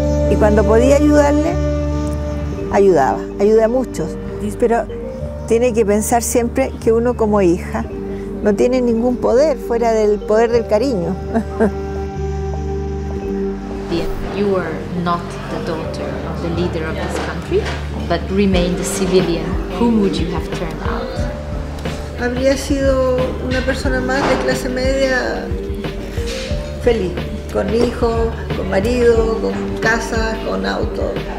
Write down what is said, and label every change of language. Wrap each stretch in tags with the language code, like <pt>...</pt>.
<es>Y cuando podía ayudarle, ayudaba, ayudé a muchos. Pero tiene que pensar siempre que uno como hija no tiene ningún poder fuera del poder del cariño.</es> <en>Bien, you were not the daughter of the leader of this country, but remained a civilian. Whom would you have turned out?</en> <es>Habría sido una persona más de clase media, feliz, con hijo, con marido, con casa, con auto.</es>